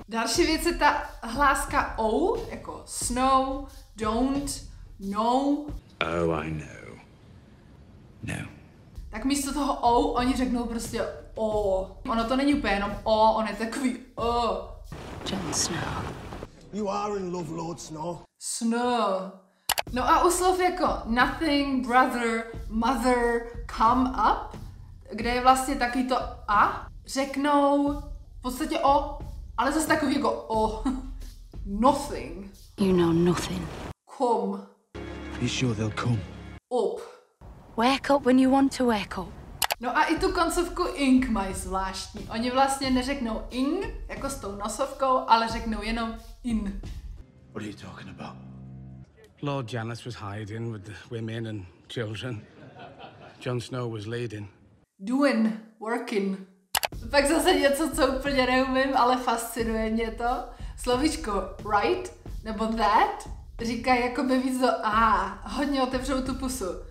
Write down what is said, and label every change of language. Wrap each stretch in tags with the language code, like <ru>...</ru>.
<cs>Další věc je ta hláska O, jako snow, don't, no.</cs> <en>Oh, I know. No.</en> <cs>Tak místo toho O, oni řeknou prostě O. Ono to není úplně jenom O, on je takový O.</cs> <en>Jon Snow. You are in love, Lord Snow.</en> <cs>Snow. No a u slov jako nothing, brother, mother, come up, kde je vlastně taky to a, řeknou v podstatě o, ale zase takový jako o. Nothing.</cs> <en>You know nothing. Come. Be sure they'll come. Up. Wake up when you want to wake up.</en> <cs>No a i tu koncovku ing mají zvláštní. Oni vlastně neřeknou ing, jako s tou nosovkou, ale řeknou jenom in.</cs> <en>What are you talking about? Lord Janus was hiding with the women and children. Jon Snow was leading. Doing, working.</en> <cs>Pak zase něco, co úplně neumím, ale fascinuje mě to. Slovíčko right, nebo that, říkají jakoby víc do a, hodně otevřou tu pusu.</cs>